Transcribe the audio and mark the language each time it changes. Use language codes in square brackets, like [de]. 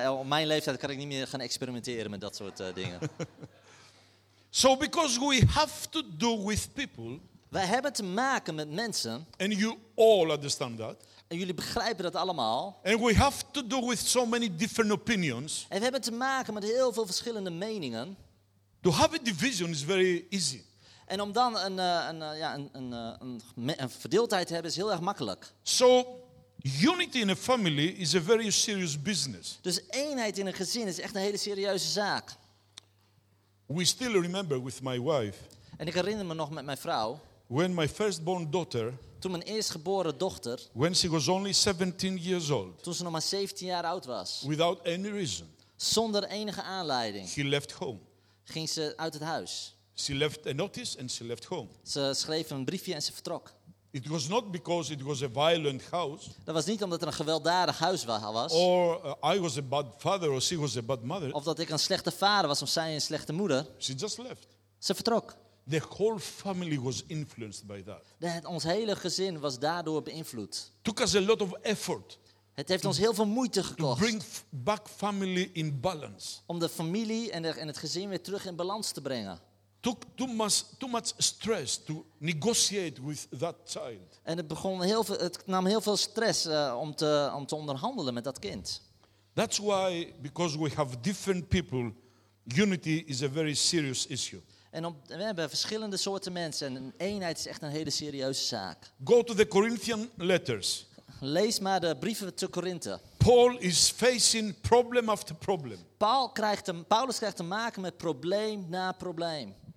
[nl] Ja, op mijn leeftijd kan ik niet meer gaan experimenteren met dat soort dingen. [en] So because we have to do with people. [nl] Wij hebben te maken met mensen. [en] And you all understand that. [nl] En jullie begrijpen dat allemaal. [en] And we have to do with so many different opinions. [nl] En we hebben te maken met heel veel verschillende meningen. [en] To have a division is very easy. [nl] En om dan een verdeeldheid te hebben is heel erg makkelijk. [en] So unity in a family is a very serious business. [nl] Dus eenheid in een gezin is echt een hele serieuze zaak. [en] We still remember with my wife. [nl] En ik herinner me nog met mijn vrouw. [en] When my firstborn daughter. [nl] Toen mijn eerstgeboren dochter. [en] When she was only 17 years old. [nl] Toen ze nog maar 17 jaar oud was. [en] Without any reason. [nl] Zonder enige aanleiding. [en] She left home. [nl] Ging ze uit het huis. [en] She left a notice and she left home. [nl] Ze schreef een briefje en ze vertrok. [en] It was not because it was a violent house. [nl] Dat was niet omdat er een gewelddadig huis was. [en] Or I was a bad father or she was a bad mother. [nl] Of dat ik een slechte vader was of zij een slechte moeder. [en] She just left. [nl] Ze vertrok. [en] The whole family was influenced by that. [nl] Ons hele gezin was daardoor beïnvloed. [en] Took us a lot of effort. [nl] Het heeft ons heel veel moeite gekost. [en] To bring back family in balance. [nl] Om de familie en het gezin weer terug in balans te brengen. [en] Took too much stress to negotiate with that child. [nl] En het nam heel veel stress om te onderhandelen met dat kind. [en] That's why, because we have different people, unity is a very serious issue. [nl] We hebben verschillende soorten mensen en eenheid is echt een hele serieuze zaak. [en] Go to the Corinthian letters. [nl] Lees maar de brieven te Korinthe. [en] Paul is facing problem after problem. [nl] Paulus krijgt te maken met probleem na probleem.